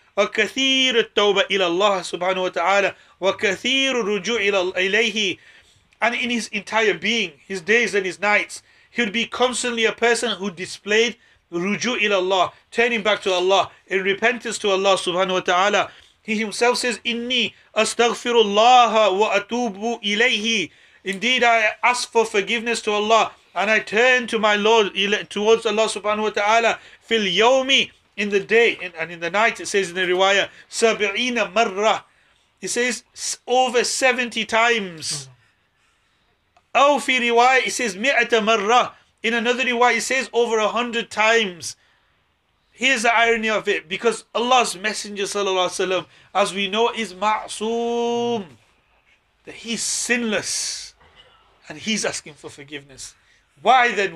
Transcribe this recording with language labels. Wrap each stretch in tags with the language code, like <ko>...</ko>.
<ar>وَكَثِيرُ التَّوْبَةِ إِلَى اللَّهِ سُبْحَانَهُ وَتَعَالَى وَكَثِيرُ الرُّجُوعِ إِلَى إِلَيْهِ.</ar> <en>And in his entire being, his days and his nights, he would be constantly a person who displayed</en> <ar>رُجُوعِ إِلَى اللَّهِ,</ar> <en>turning back to Allah, in repentance to Allah subhanahu wa ta'ala. He himself says,</en> <ar>إِنِّي أَسْتَغْفِرُ اللَّهَ وَأَتُوبُ إِلَيْهِ.</ar> <en>Indeed, I ask for forgiveness to Allah and I turn to my Lord, towards Allah subhanahu wa ta'ala.</en> <ar>فِي الْيَوْمِ,</ar> <en>in the day and in the night, it says in the riwayah,</en> <ar>سَبْعِينَ مَرَّةً.</ar> <en>It says over 70 times.</en> <ar>أو في رواية,</ar> <en>it says</en> <ar>مِئَةَ مَرَّةً.</ar> <en>In another riwayah, it says over 100 times. Here's the irony of it, because Allah's Messenger,</en> <ar>صلى الله عليه وسلم,</ar> <en>as we know, is معصوم. That he's sinless. And he's asking for forgiveness. Why then?</en>